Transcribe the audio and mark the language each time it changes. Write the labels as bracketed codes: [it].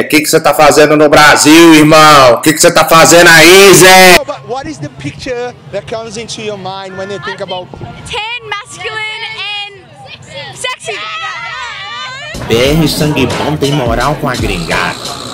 [pt] O que você tá fazendo no Brasil, irmão? O que você tá fazendo aí, Zé? [en] What is the picture that comes into your mind when you think about... 10 masculine and... Sexy! [pt] BR sangue bom tem moral com a gringada.